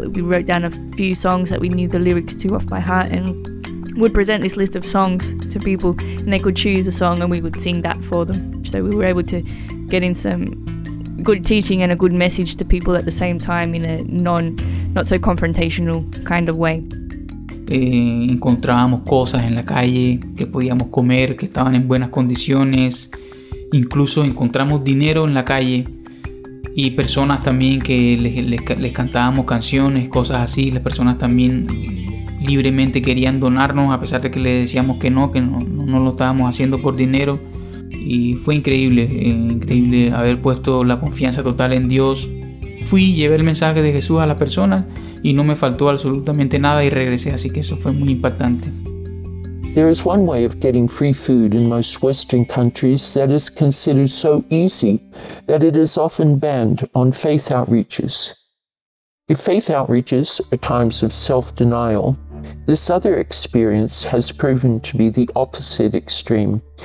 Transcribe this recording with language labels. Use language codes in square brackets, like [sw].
[en] We wrote down a few songs that we knew the lyrics to off by heart, and would present this list of songs to people, and they could choose a song and we would sing that for them. So we were able to get in some good teaching and a good message to people at the same time in a not so confrontational kind of way. [es] Encontrábamos cosas en la calle que podíamos comer, que estaban en buenas condiciones. Incluso encontramos dinero en la calle y personas también que les cantábamos canciones, cosas así. Las personas también libremente querían donarnos, a pesar de que les decíamos que no lo estábamos haciendo por dinero. Y fue increíble, increíble haber puesto la confianza total en Dios. Fui, llevé el mensaje de Jesús a las personas y no me faltó absolutamente nada y regresé, así que eso fue muy impactante. [en] There is one way of getting free food in most Western countries that is considered so easy that it is often banned on faith outreaches. If faith outreaches are times of self-denial, this other experience has proven to be the opposite extreme.